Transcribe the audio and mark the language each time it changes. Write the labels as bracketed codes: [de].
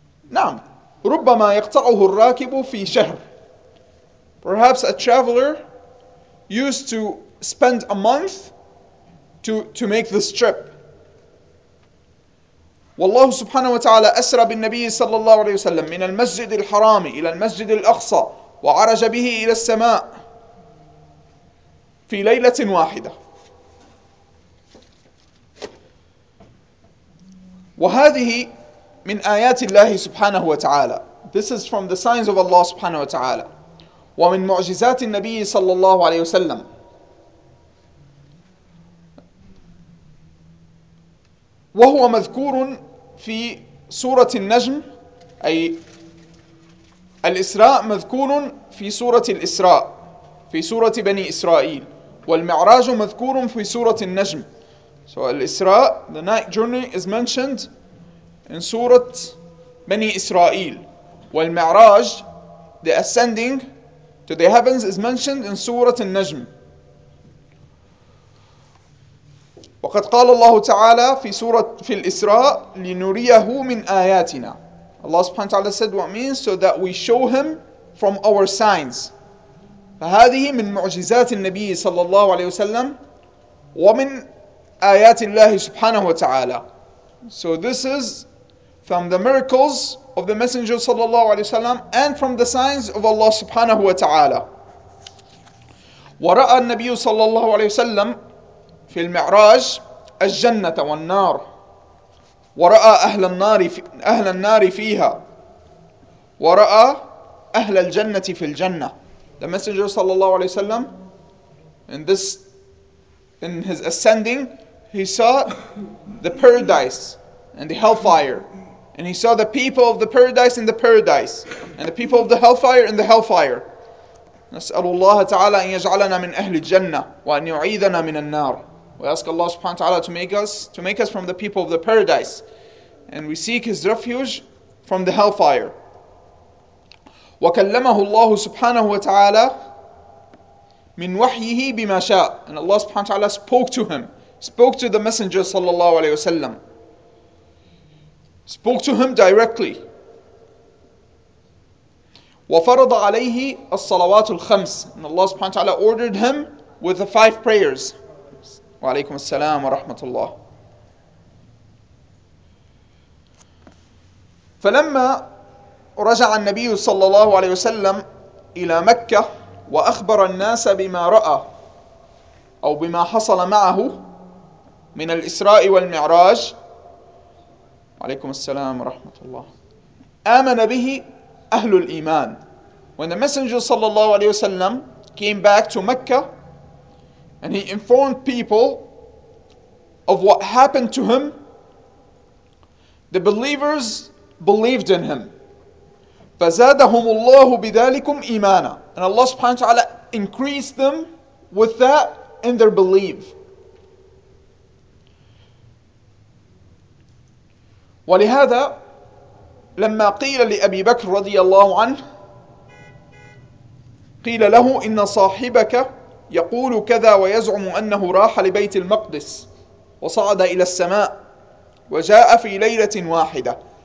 [ar] نعم. ربما يقطعه الراكب في شهر. [en] Perhaps a traveler used to spend a month to make this trip. [ar] والله سبحانه وتعالى أسرى بالنبي صلى الله عليه وسلم من المسجد الحرام إلى المسجد الأقصى وعرج به إلى السماء في ليلة واحدة. وهذه من آيات الله سبحانه وتعالى. [en] This is from the signs of Allah سبحانه وتعالى. [ar] ومن معجزات النبي صلى الله عليه وسلم. وهو مذكور في سورة النجم, أي الإسراء مذكور في سورة الإسراء في سورة بني إسرائيل. والمعراج مذكور في سورة النجم. [en] So الإسراء, the night journey is mentioned in Surah Bani Israel. والمعراج, the ascending to the heavens, is mentioned in Surah Al-Najm. [ar] وقد قال الله تعالى في سورة في الإسراء لنريه من آياتنا. [en] Allah سبحانه وتعالى said what means so that we show him from our signs. [ar] فهذه من معجزات النبي صلى الله عليه وسلم ومن آيات الله سبحانه وتعالى. [en] So this is from the miracles of the Messenger صلى الله عليه وسلم and from the signs of Allah سبحانه وتعالى. [ar] ورأى النبي صلى الله عليه وسلم في المعراج الجنة والنار, ورأى أهل النار فيها, ورأى أهل الجنة في الجنة. [en] The Messenger صلى الله عليه وسلم in this in his ascending, he saw the paradise and the hellfire. And he saw the people of the paradise in the paradise. And the people of the hellfire in the hellfire. [ar] نسأل الله تعالى أن يجعلنا من أهل الجنة وأن يعيذنا من النار. [en] We ask Allah subhanahu wa ta'ala to make us from the people of the paradise. And we seek his refuge from the hellfire. [ar] وكلمه الله سبحانه وتعالى من وحيه بما شاء. [en] And Allah subhanahu wa ta'ala spoke to the Messenger sallallahu alayhi wasallam. Spoke to him directly. [ar] وفرض عليه الصلوات الخمس. [en] And Allah subhanahu wa ta'ala ordered him with the five prayers. [ar] وعليكم السلام ورحمة الله. فلما رجع النبي صلى الله عليه وسلم إلى مكة وأخبر الناس بما رأى أو بما حصل معه من الإسراء والمعراج عليكم السلام ورحمة الله آمن به أهل الإيمان. [en] When the messenger صلى الله عليه وسلم came back to Mecca and he informed people of what happened to him, the believers believed in him. [ar] فزادهم الله بذلكم إيمانا. [en] And Allah subhanahu wa ta'ala increased them with that in their belief. [ar] ولهذا لما قيل لأبي بكر رضي الله عنه قيل له إن صاحبك يقول كذا ويزعم أنه راح لبيت المقدس وصعد إلى السماء وجاء في ليلة واحدة.